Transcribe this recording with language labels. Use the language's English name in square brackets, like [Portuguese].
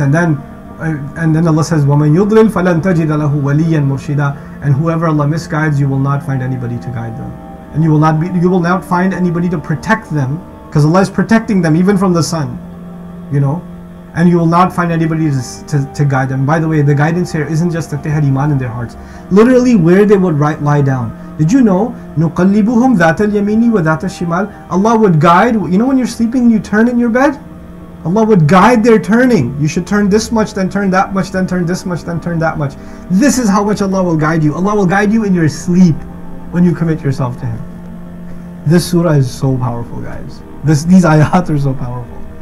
[English] And then Allah says, [Arabic] وَمَنْ يُضْلِلْ فَلَنْ تَجِدَ لَهُ وَلِيًّا مُرْشِدًا [English] And whoever Allah misguides, you will not find anybody to guide them. And you will not find anybody to protect them, because Allah is protecting them even from the sun, you know. And you will not find anybody to guide them. By the way, the guidance here isn't just that they had iman in their hearts. Literally, where they would lie down. Did you know? [Arabic] نُقَلِّبُهُمْ ذَاتَ الْيَمِينِ وَذَاتَ الشِّمَالِ [English] Allah would guide. You know when you're sleeping, you turn in your bed. Allah would guide their turning. You should turn this much, then turn that much, then turn this much, then turn that much. This is how much Allah will guide you. Allah will guide you in your sleep when you commit yourself to Him. This surah is so powerful, guys. These ayat are so powerful.